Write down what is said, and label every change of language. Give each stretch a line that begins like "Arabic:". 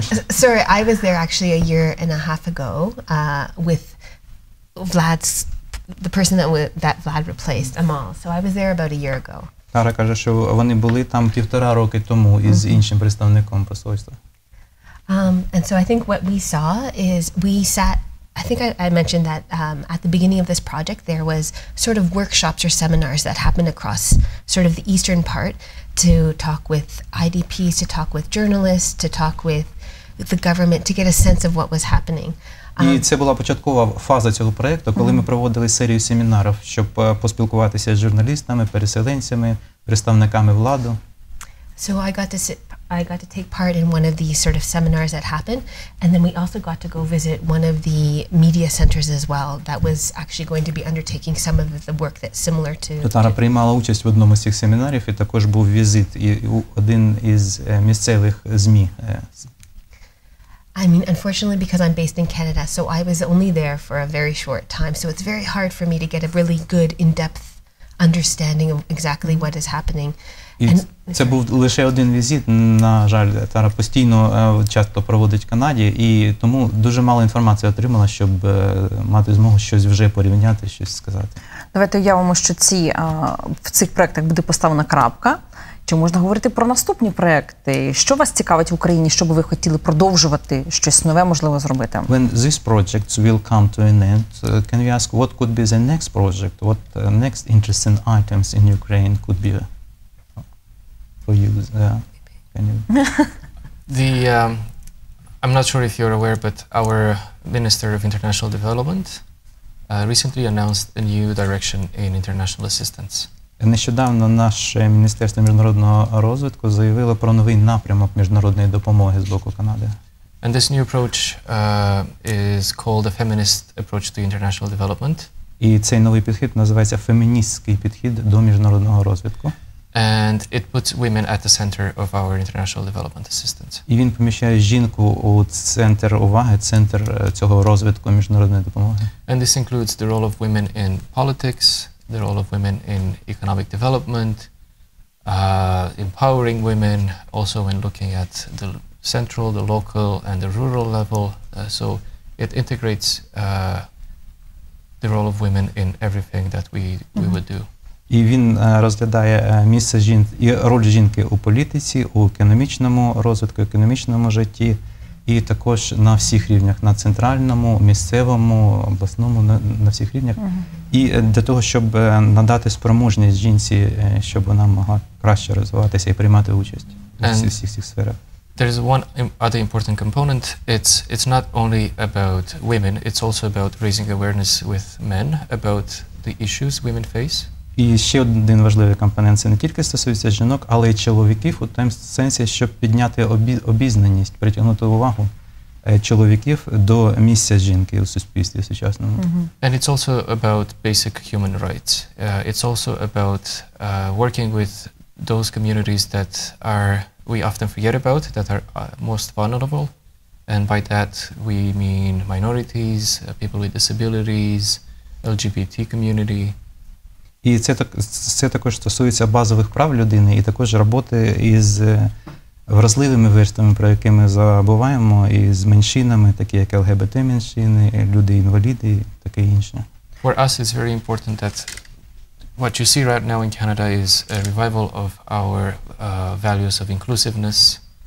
English: Sorry, I was there actually a year and a half ago with Vlad's, the person that Vlad replaced, Amal. So I was there about a year ago.
Ukrainian: Тара каже, що вони були там півтора роки тому із іншим представником посольства.
English: And so I think what we saw is we sat, I think I mentioned that at the beginning of this project, there was sort of workshops or seminars that happened across sort of the eastern part to talk with IDPs, to talk with journalists, to talk with the government, to get a sense of what was happening.
Ukrainian: І це була початкова фаза цього проєкту, коли ми проводили серію семінарів, щоб поспілкуватися з журналістами, переселенцями, представниками влади.
English: So I got to take part in one of these sort of seminars that happened, and then we also got to go visit one of the media centers as well that was actually going to be undertaking some of the work that's similar to.
Ukrainian: Тара приймала участь в одному з цих семінарів і також був візит і один із місцевих ЗМІ.
English: I mean, unfortunately, because I'm based in Canada, so I was only there for a very short time. So it's very hard for me to get a really good in-depth understanding of exactly what is happening.
Ukrainian: І це був лише один візит. На жаль, Тара постійно часто проводить в Канаді, і тому дуже мало інформації отримала, щоб мати змогу щось вже порівняти, щось сказати. Давайте уявимо, що в цих проєктах буде поставлена крапка. Чи можна говорити про наступні проєкти? Що вас цікавить в Україні? Що би ви хотіли продовжувати? Щось нове, можливо, зробити?
English: When this project will come to an end, can we ask what could be the next project? What next interesting items in Ukraine could be for you? Can you? I'm not sure if you're aware, but our Minister of International Development recently announced a new direction in international assistance.
Ukrainian: Нещодавно наше Міністерство міжнародного розвитку заявило про новий напрямок міжнародної допомоги з боку Канади.
English: And this new approach is called a feminist approach to international development.
Ukrainian: І цей новий підхід називається феміністський підхід до міжнародного розвитку.
English: And it puts women at the center of our international development assistance.
Ukrainian: І він поміщає жінку у центр уваги, центр цього розвитку міжнародної допомоги.
English: And this includes the role of women in politics, the role of women in economic development, empowering women, also when looking at the central, the local, and the rural level. So it integrates the role of women in everything that we would do.
Ukrainian: І він розглядає місце жінки і роль жінки у політиці, у економічному розвитку, економічному житті, і також на всіх рівнях, на центральному, місцевому, обласному, на всіх рівнях. І для того, щоб надати спроможність жінці, щоб вона могла краще розвиватися і приймати участь у всіх цих сферах.
English: There is one other important component. It's not only about women, it's also about raising awareness with men about the issues women face.
Ukrainian: І ще один важливий компонент – це не тільки стосується жінок, але й чоловіків, у тому сенсі, щоб підняти обізнаність, притягнути увагу чоловіків до місця жінки у суспільстві сучасному.
English: And it's also about basic human rights. It's also about working with those communities that are we often forget about, that are most vulnerable. And by that we mean minorities, people with disabilities, LGBT community.
Ukrainian: І це також стосується базових прав людини і також роботи із вразливими верствами, про які ми забуваємо, і з меншинами, такі як ЛГБТ-меншини, люди-інваліди, таке інше.
English: For us it's very important that what you see right now in Canada is a revival of our values of inclusiveness.